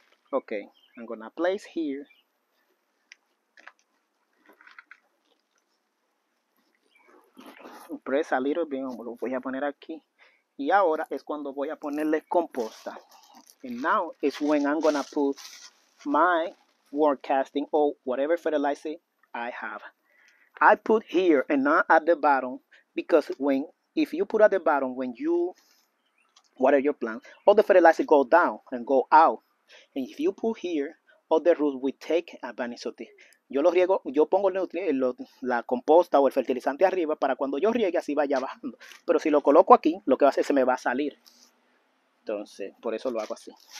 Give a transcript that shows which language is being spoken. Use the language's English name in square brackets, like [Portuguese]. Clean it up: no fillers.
[English] Ok, I'm gonna place here. Press a little bit, [Spanish] lo voy a poner aquí. Y ahora es cuando voy a ponerle composta. [English] And now is when I'm gonna put my worm casting or whatever fertilizer I have. I put here and not at the bottom because when if you put at the bottom when you water your plant, all the fertilizer go down and go out. And if you put here, all the roots will take advantage of this. [Spanish] Yo lo riego, yo pongo la composta o el fertilizante arriba para cuando yo riegue así vaya bajando. Pero si lo coloco aquí, lo que va a hacer se me va a salir. Entonces, por eso lo hago así.